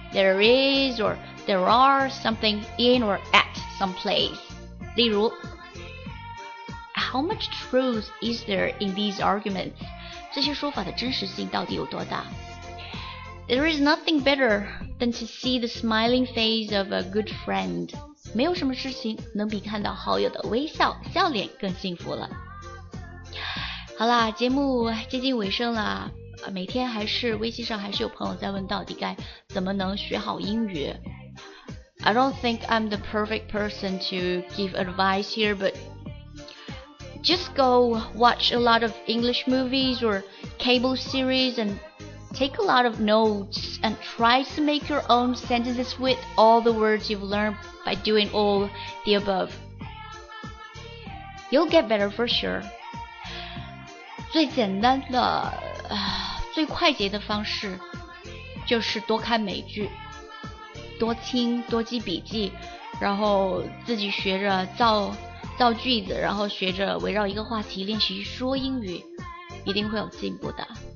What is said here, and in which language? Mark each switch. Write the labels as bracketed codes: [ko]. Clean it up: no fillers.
[en] There is or there are something in or at some place。 [zh] 例如 [en] How much truth is there in these arguments? [zh] 这些说法的真实性到底有多大？ [en] There is nothing better than to see the smiling face of a good friend. [zh] 没有什么事情能比看到好友的微笑、笑脸更幸福了。好啦，节目接近尾声了，每天还是微信上还是有朋友在问到底该怎么能学好英语。 [en] I don't think I'm the perfect person to give advice here, butJust go watch a lot of English movies or cable series and take a lot of notes and try to make your own sentences with all the words you've learned by doing all the above. You'll get better for sure. [zh] 最简单的、最快捷的方式就是多看美剧，多听，多记笔记，然后自己学着造句子，然后学着围绕一个话题练习说英语，一定会有进步的。